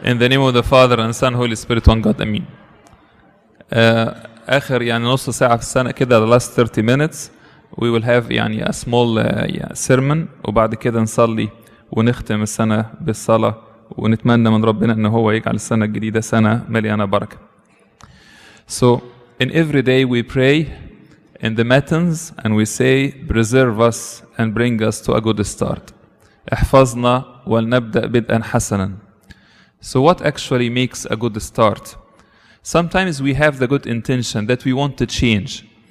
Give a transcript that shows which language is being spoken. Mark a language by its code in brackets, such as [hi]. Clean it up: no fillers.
[en] In the name of the Father and Son, Holy Spirit, one God. Amen. [ar] آخر يعني نص ساعة في السنة كده, [en] the last 30 minutes, we will have [ar] يعني [en] a small sermon, [ar] وبعد كده نصلي ونختم السنة بالصلاة, ونتمنى من ربنا أنه هو يجعل السنة الجديدة سنة مليانة بركة. [en] So, in every day we pray in the matins and we say, preserve us and bring us to a good start. [ar] احفظنا ولنبدأ بدءا حسنا. [en] So what actually makes a good start? Sometimes we have the good intention that we want to change.